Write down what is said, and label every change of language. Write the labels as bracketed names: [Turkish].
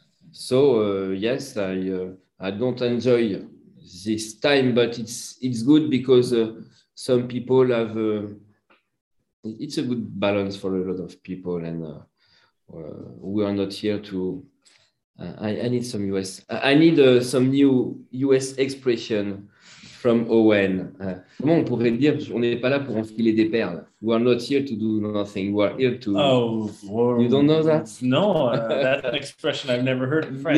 [English] So yes, I don't enjoy this time, but it's good because some people have it's a good balance for a lot of people, and we are not here to I need some new US expression from Owen. [French] Comment on pourrait dire, on n'est pas là pour enfiler des perles. [English] We are not here to do nothing. We are here to. Oh, you don't know that? No, that expression I've never heard in French.